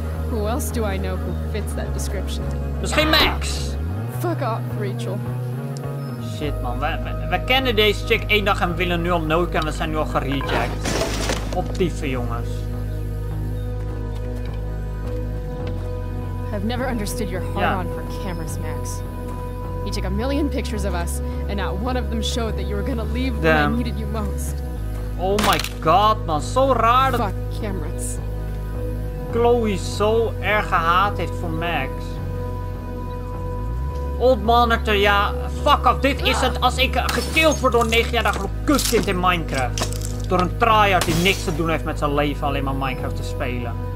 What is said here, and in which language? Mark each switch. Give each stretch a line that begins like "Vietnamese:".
English: Who else do I know who fits that description?
Dutch: Misschien Max.
English: Fuck off, Rachel. Shit, man.
Dutch: We kennen deze chick één dag en we willen nu al noken en we zijn nu al gereject. Optieven, jongens.
English: I've never understood your hard-on for cameras, Max. You took a million pictures of us, and not one of them showed that you were gonna leave when I needed you most. Oh my god, man,
Dutch: zo raar dat...
English: Fuck cameras.
Dutch: Chloe zo erg gehaat heeft voor Max. Old monitor, ja,
English: fuck off,
Dutch: dit is het als ik gekild word door een 9-jarige kutkind in Minecraft. Door een tryhard die niks te doen heeft met zijn leven, alleen maar Minecraft te spelen.